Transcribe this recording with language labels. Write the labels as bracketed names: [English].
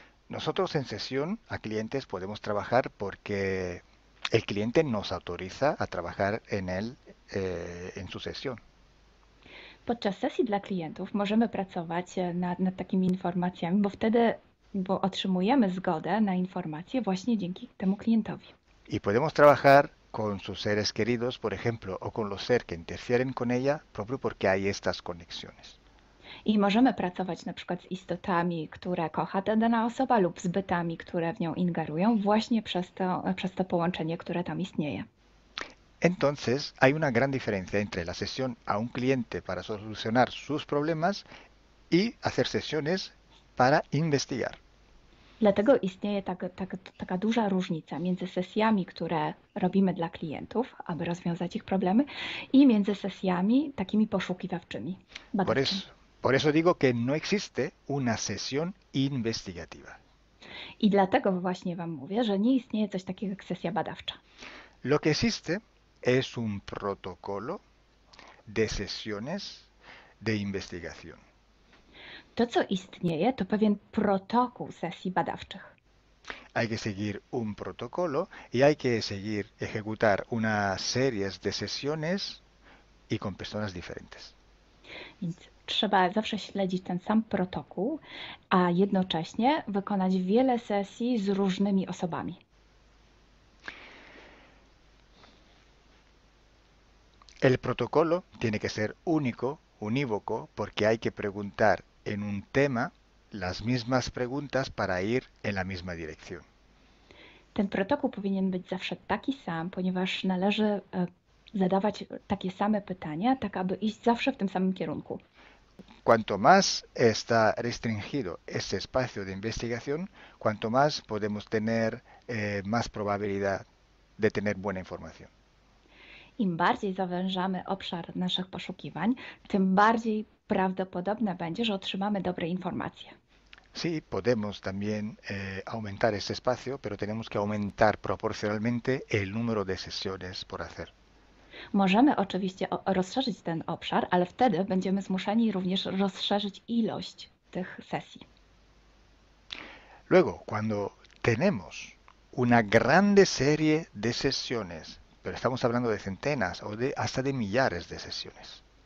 [Spanish] Nosotros en sesión a clientes podemos trabajar porque el cliente nos autoriza a trabajar en él, en su sesión. [Polish] Podczas sesji dla klientów możemy pracować nad takimi informacjami, bo otrzymujemy zgodę na informacje właśnie dzięki temu klientowi. [Spanish] Y podemos trabajar con sus seres queridos, por ejemplo, o con los seres que interfieren con ella, propio porque hay estas conexiones. [Polish] I możemy pracować na przykład z istotami, które kocha dana osoba, lub z bytami, które w nią ingerują, właśnie przez to połączenie, które tam istnieje. [Spanish] Entonces, hay una gran diferencia entre la sesión a un cliente para solucionar sus problemas y hacer sesiones para investigar. [Polish] Dlatego istnieje taka duża różnica między sesjami, które robimy dla klientów, aby rozwiązać ich problemy, i między sesjami takimi poszukiwawczymi, [Spanish] Por [Polish] badawczymi. [Spanish] eso digo que no existe una sesión investigativa. [Polish] I dlatego właśnie Wam mówię, że nie istnieje coś takiego jak sesja badawcza. [Spanish] Lo que existe es un protocolo de sesiones de investigación. [Polish] To, co istnieje, to pewien protokół sesji badawczych. [Spanish] Hay que seguir un protocolo y hay que seguir ejecutar unas series de sesiones y con personas diferentes. [Polish] Więc trzeba zawsze śledzić ten sam protokół, a jednocześnie wykonać wiele sesji z różnymi osobami. [Spanish] El protocolo tiene que ser único, unívoco, porque hay que preguntar en un tema las mismas preguntas para ir en la misma dirección. [Polish] Ten protokół powinien być zawsze taki sam, ponieważ należy zadawać takie same pytania, tak aby iść zawsze w tym samym kierunku. [Spanish] Cuanto más está restringido ese espacio de investigación, cuanto más podemos tener más probabilidad de tener buena información. [Polish] Im bardziej zawężamy obszar naszych poszukiwań, tym bardziej prawdopodobne będzie, że otrzymamy dobre informacje. [Spanish] Sí, podemos también aumentar ese espacio, pero tenemos que aumentar proporcionalmente el número de sesiones por hacer. [Polish] Możemy oczywiście rozszerzyć ten obszar, ale wtedy będziemy zmuszeni również rozszerzyć ilość tych sesji. [Spanish] Luego, cuando tenemos una grande serie de sesiones, pero estamos hablando de centenas o de hasta de millares de sesiones.